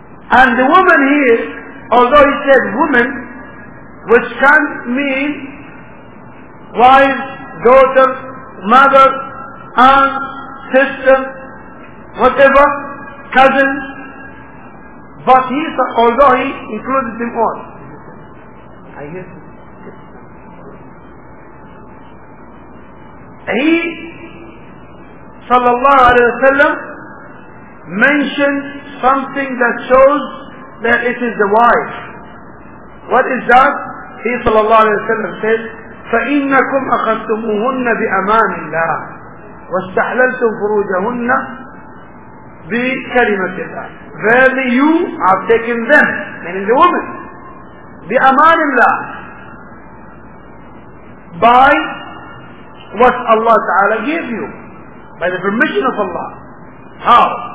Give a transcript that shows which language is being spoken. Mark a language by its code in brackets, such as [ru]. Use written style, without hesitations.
[en] And the woman here, although he said woman, which can mean wife, daughter, mother, aunt, sister, whatever, cousin, but he, although he included them all. I hear you. He sallallahu alayhi wa sallam mentioned something that shows that it is the wife. What is that? He sallallahu alayhi wa sallam said, [ar] فَإِنَّكُمْ أَخَذْتُمُهُنَّ بِأَمَانِ اللَّهِ وَاسْتَحْلَلْتُمْ فُرُوجَهُنَّ بِكَلِمَةِ اللَّهِ. [en] Verily you have taken them, meaning the woman, [ar] بِأَمَانِ اللَّهِ, [en] by what Allah Ta'ala gave you, by the permission of Allah. How?